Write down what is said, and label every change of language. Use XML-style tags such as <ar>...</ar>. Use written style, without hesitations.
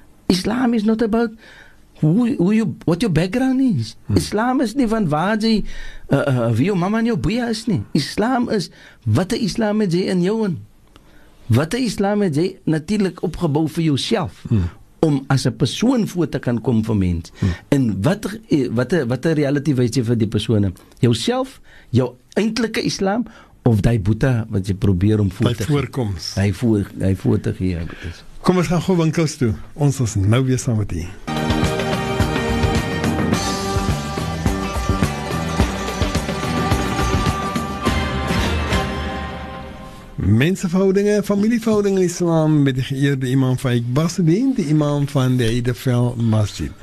<en>Islam is not about who you, what your background is.</en> <af>Hmm. Islam is nie van waar jy, wie jou mama en jou boeie is nie. Islam is, wat die Islam het jy in jou in. Wat die Islam het jy natuurlijk opgebouw vir jouself, hmm. om as een persoon voor te kan kom vir mens. Hmm. En wat die reality wees jy vir die persoon? Jouself, jou eindelike Islam, of die Boeta wat jy probeer om voor te gee. Die voorkoms. Die voor te gee. Kom, ons gaan gewoon winkels toe. Ons is nou weer saam met jy.</af> <nl>Mensenverhoudingen, familieverhoudingen islam met de geëerde imam Faiek Bassadien, de imam van de Eidevel Masjid.</nl>